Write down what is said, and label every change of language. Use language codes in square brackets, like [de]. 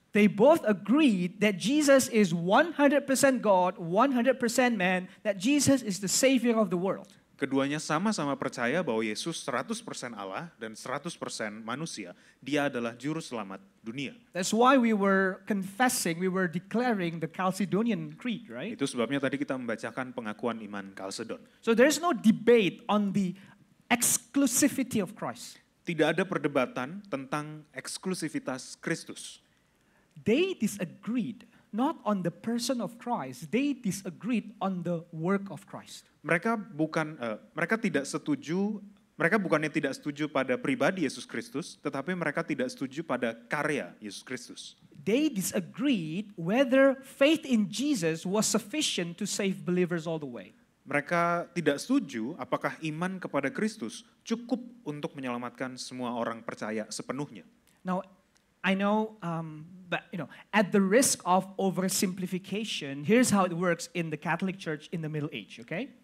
[en] They both agreed that Jesus is 100% God, 100% man, that Jesus is the savior of the world. [id] Keduanya sama-sama percaya bahwa Yesus 100% Allah dan 100% manusia. Dia adalah juru selamat dunia. [en] That's why we were confessing, we were declaring the Chalcedonian Creed, right? [id] Itu sebabnya tadi kita membacakan pengakuan iman Chalcedon. [en] So there is no debate on the exclusivity of Christ. [id] Tidak ada perdebatan tentang eksklusivitas Kristus. [en] They disagreed not on the person of Christ, they disagreed on the work of Christ. [id] Mereka bukannya tidak setuju pada pribadi Yesus Kristus, tetapi mereka tidak setuju pada karya Yesus Kristus. [en] They disagreed whether faith in Jesus was sufficient to save believers all the way. [id] Mereka tidak setuju apakah iman kepada Kristus cukup untuk menyelamatkan semua orang percaya sepenuhnya. [en] Now I know, but you know, at the risk of oversimplification, here's how it works in the Catholic Church in the Middle Age, okay?